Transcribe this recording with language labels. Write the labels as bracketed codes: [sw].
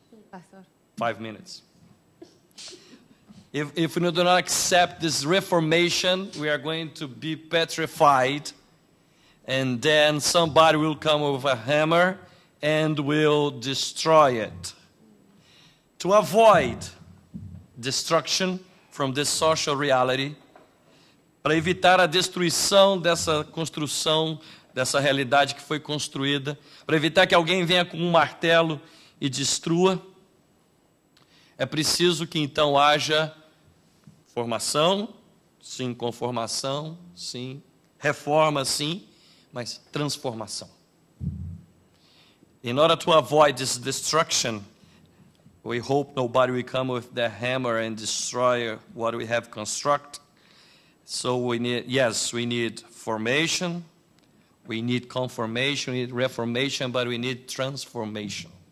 [en] Pastor. 5 minutes. If we do not accept this reformation, we are going to be petrified, and then somebody will come with a hammer and will destroy it. To avoid destruction from this social reality, [pt] para evitar a destruição dessa construção, dessa realidade que foi construída, para evitar que alguém venha com um martelo e destrua, é preciso que então haja formação, sim, conformação, sim, reforma, sim, mas transformação. [en] In order to avoid this destruction, we hope nobody will come with the hammer and destroy what we have constructed. So we need, yes, we need formation, we need conformation, we need reformation, but we need transformation.